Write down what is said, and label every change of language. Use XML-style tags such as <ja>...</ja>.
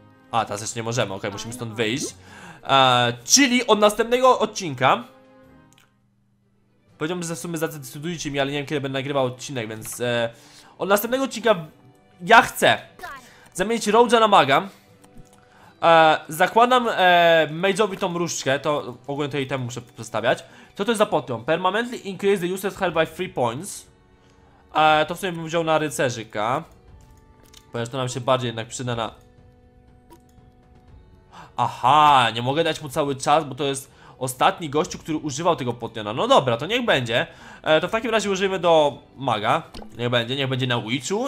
<pl>A, teraz jeszcze nie możemy, okej, okay, musimy stąd wyjść. Czyli od następnego odcinka powiedziałbym, że w sumie zadecydujcie mi, ale nie wiem kiedy będę nagrywał odcinek, więc... Od następnego odcinka ja chcę zamienić Rouge'a na maga. Zakładam Mage'owi tą różdżkę, to ogólnie tutaj temu muszę przedstawiać. Co to jest za potion?</pl> <en>Permanently increase the user's health by 3 points.</en> <pl>To w sumie bym wziął na rycerzyka, ponieważ to nam się bardziej jednak przyda na... Aha, nie mogę dać mu cały czas, bo to jest ostatni gościu, który używał tego potiona. No dobra, to niech będzie. To w takim razie użyjmy do maga. Niech będzie na witchu.</pl>